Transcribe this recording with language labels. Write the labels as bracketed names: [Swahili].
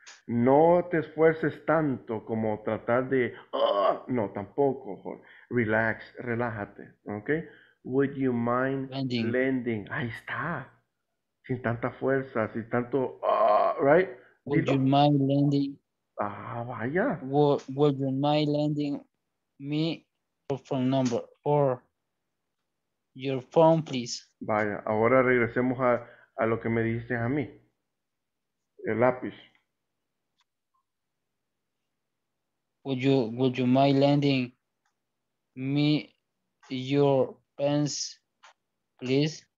[Spanish] No te esfuerces tanto como tratar de, oh, no, tampoco, Jorge. [English] Relax, relájate, ¿ok? Would you mind lending? [Spanish] Ahí está, sin tanta fuerza, sin tanto, right? [English] Would you mind lending? [Spanish] Ah, vaya. [English] Would you mind lending me your phone number or your phone, please? [Spanish] Vaya, ahora regresemos a lo que me dijiste a mí, el lápiz. [English] Would you mind lending me your pens, please?